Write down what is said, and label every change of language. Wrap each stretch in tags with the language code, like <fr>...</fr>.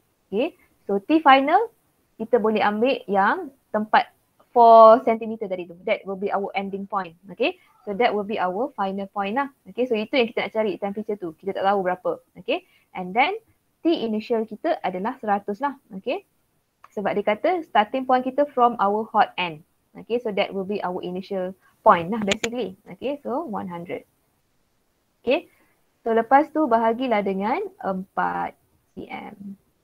<ms>Okay. So T final kita boleh ambil yang tempat 4 cm tadi tu.</ms> <en>That will be our ending point. Okay. So that will be our final point lah. Okay.</en> <ms>So itu yang kita nak cari temperature tu. Kita tak tahu berapa. Okay.</ms> <en>And then</en> <ms>T initial kita adalah 100 lah. Okay. Sebab dia kata starting point kita</ms> <en>from our hot end.</en> <ms>Okay.</ms> <en>So that will be our initial point lah basically. Okay. So 100. Okay.</en> <ms>So lepas tu bahagilah dengan 4 cm.</ms>